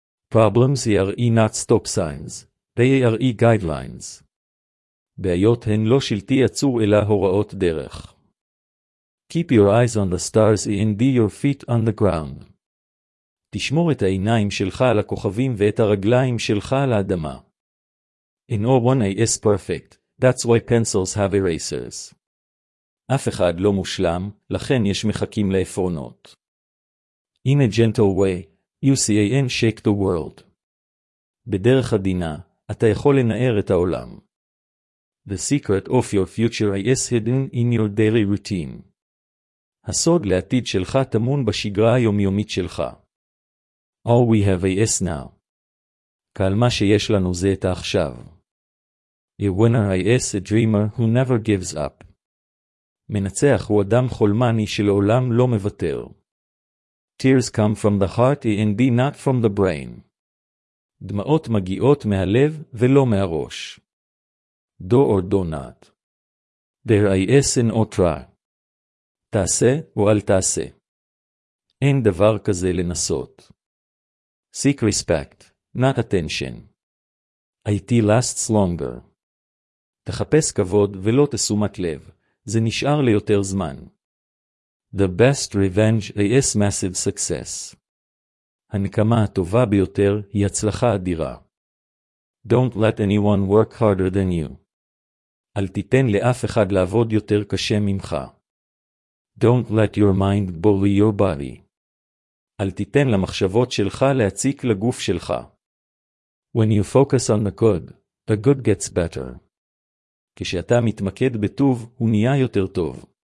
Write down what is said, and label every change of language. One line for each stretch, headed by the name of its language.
English: Problems are not stop signs, they are guidelines.
Hebrew: בעיות הן לא שלטי עצור אלא הוראות דרך.
English: Keep your eyes on the stars and your feet on the ground.
Hebrew: תשמור את העיניים שלך על הכוכבים ואת הרגליים שלך על האדמה.
English: In all one is perfect, that's why pencils have erasers.
Hebrew: אף אחד לא מושלם, לכן יש מחכים לאפרונות.
English: In a gentle way, you can shake the world.
Hebrew: בדרך עדינה, אתה יכול לנער את העולם.
English: The secret of your future is hidden in your daily routine.
Hebrew: הסוד לעתיד שלך טמון בשגרה היומיומית שלך.
English: All we have is now.
Hebrew: כל מה שיש לנו זה את עכשיו.
English: A winner is a dreamer who never gives up.
Hebrew: מנצח הוא אדם חולמני שלעולם לא מוותר.
English: Tears come from the heart and not from the brain.
Hebrew: דמעות מגיעות מהלב ולא מהראש.
English: Do or do not. There is an otra.
Hebrew: תעשה או אל תעשה. אין דבר כזה לנסות.
English: Seek respect, not attention. IT lasts longer.
Hebrew: תחפש כבוד ולא תשומת לב, זה נשאר ליותר זמן.
English: The best revenge is massive success.
Hebrew: הנקמה הטובה ביותר היא הצלחה אדירה.
English: Don't let anyone work harder than you.
Hebrew: אל תיתן לאף אחד לעבוד יותר קשה ממך.
English: Don't let your mind bully your body.
Hebrew: אל תיתן למחשבות שלך להציק לגוף שלך.
English: When you focus on the good, the good gets better.
Hebrew: כשאתה מתמקד בטוב, הוא נהיה יותר טוב.